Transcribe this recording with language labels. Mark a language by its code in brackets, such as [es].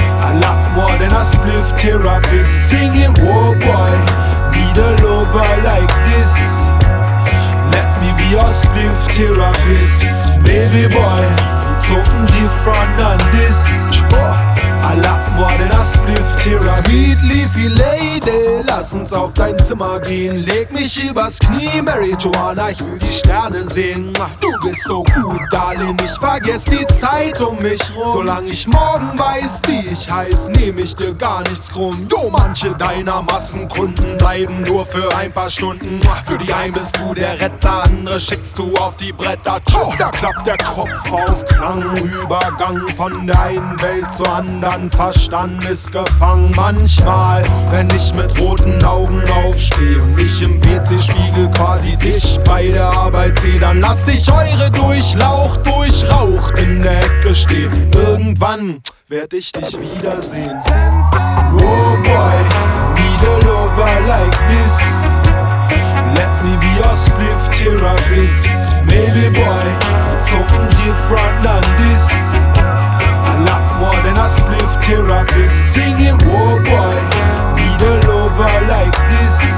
[en] A lot more than a spliff therapist. Singing, oh boy, need a lover like this. Let me be your spliff therapist. Maybe boy, it's something different than this. A lot more than a spliff therapy. Sweet leafy lady, [de] lass uns auf dein Zimmer gehen. Leg mich übers Knie, Mary Joanna, ich will die Sterne sehen. Du bist so gut, Darling, ich vergess die Zeit um mich rum. Solang ich morgen weiß, wie ich heiß, nehm ich dir gar nichts krumm. Jo, manche deiner Massenkunden bleiben nur für ein paar Stunden. Für die einen bist du der Retter, andere schickst du auf die Bretter. Tschu, da klappt der Kopf auf Klang. Übergang von der einen Welt zur anderen. Dann Verstand ist gefangen. Manchmal, wenn ich mit roten Augen aufstehe und mich im WC-Spiegel quasi dich bei der Arbeit sehe, dann lass ich eure Durchlauch durchraucht in der Ecke stehen. Irgendwann werd ich dich wiedersehen. [en] Oh boy, need a lover like this. Let me be your spliff therapist. Maybe boy, it's something different than this. More than a spliff therapist. Singing, oh boy, need a lover like this.